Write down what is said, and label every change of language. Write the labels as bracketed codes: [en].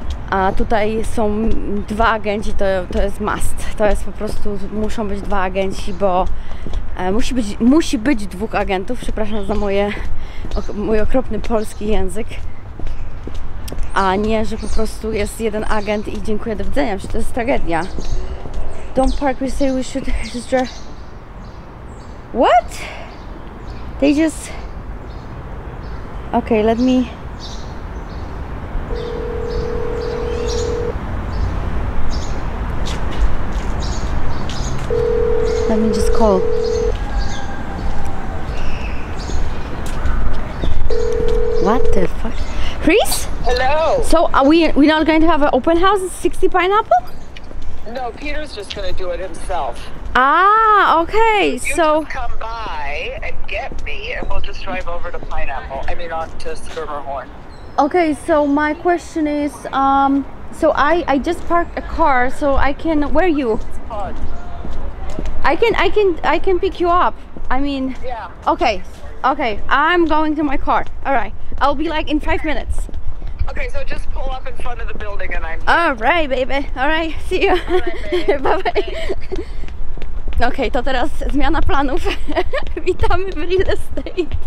[pl] A tutaj są dwa agenci, to jest must. To jest po prostu, muszą być dwa agenci, bo musi być dwóch agentów. Przepraszam za mój okropny polski język. a nie, że po prostu jest jeden agent i dziękuję, do widzenia, to jest tragedia. [en] Don't park, we say we should just drive. What? They just... Okay, let me... Let me just call. What the fuck? Chris? Hello! So, are we not going to have an open house at 60 Pineapple? No, Peter's just gonna do it himself. Ah, okay, so... You just come by and get me, and we'll just drive over to Pineapple. I mean, on to Skirmerhorn. Okay, so my question is, so I just parked a car, so I can... Where are you? I can pick you up. I mean... Yeah. Okay, I'm going to my car. All right, I'll be like in 5 minutes. Okay, so just pull up in front of the building and I'm... All right, baby. All right, see you. All right, bye-bye. [pl] Okej, to teraz zmiana planów. Witamy w Real Estate.